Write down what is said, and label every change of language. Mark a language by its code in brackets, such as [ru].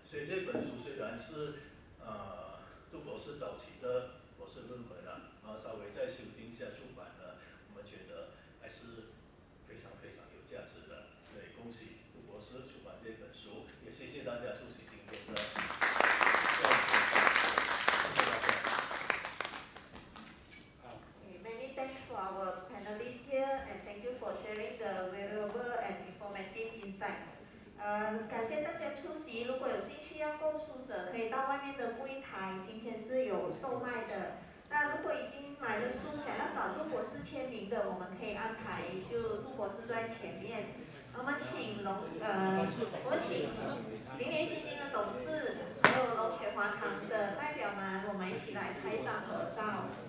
[zh] 所以这本书虽然是杜博士早期的博士论文啊，稍微再修订一下出版呢，我们觉得还是非常非常。价值的，对，恭喜杜博士出版这本书，也谢谢大家出席今天的。 [en] Okay, many thanks to our panelists here, and thank you for sharing the valuable and informative insights. [zh] 感谢大家出席。如果有兴趣要购书者，可以到外面的柜台，今天是有售卖的。那如果已经买了书想要找杜博士签名的，我们可以安排，就杜博士在前面。我们请龙我请明年基金的董事还有龙泉华堂的代表们，我们一起来拍张合照。